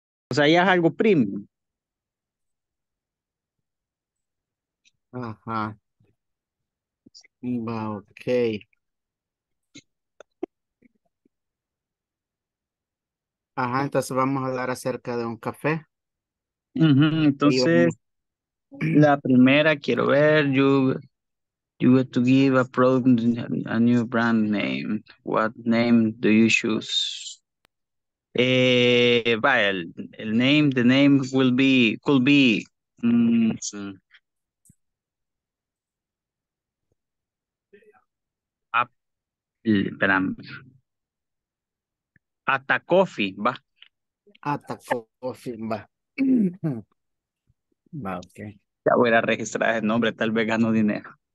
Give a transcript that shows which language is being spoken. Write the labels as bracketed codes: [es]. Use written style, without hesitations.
[es] o sea, ya es algo premium. Ajá. Va, okay. Ajá, entonces vamos a hablar acerca de un café. [en] Uh-huh, [es] entonces, la primera, quiero ver, [en] you were to give a product a new brand name. What name do you choose? The name will be, could be, Ata Coffee, ba? Ata Coffee, ba. [es] Va, ok. Ya voy a registrar el nombre, tal vez gano dinero.